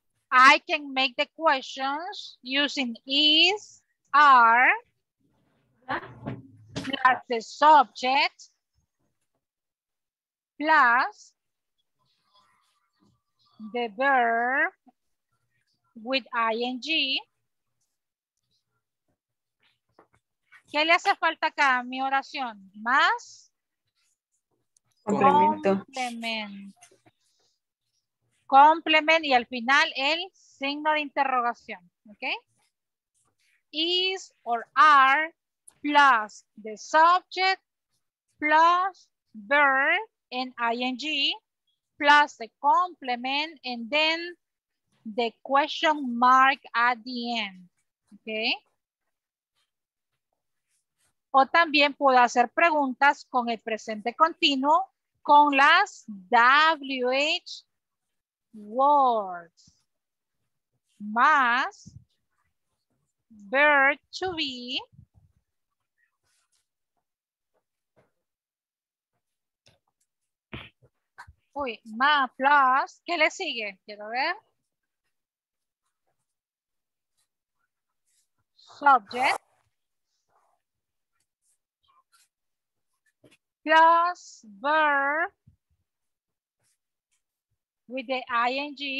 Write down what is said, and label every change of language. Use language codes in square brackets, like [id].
[en] I can make the questions using is, are, plus the subject, plus the verb with ing. [es] ¿Qué le hace falta acá a mi oración? Más complemento. Complement y al final el signo de interrogación. [en] Okay. Is or are plus the subject plus verb and ing plus the complement and then the question mark at the end. Okay. [es] O también puedo hacer preguntas con el presente continuo con las WH words, más, verb to be, uy, más, plus, ¿qué le sigue? Quiero ver, [en] subject, plus, verb, with the ing.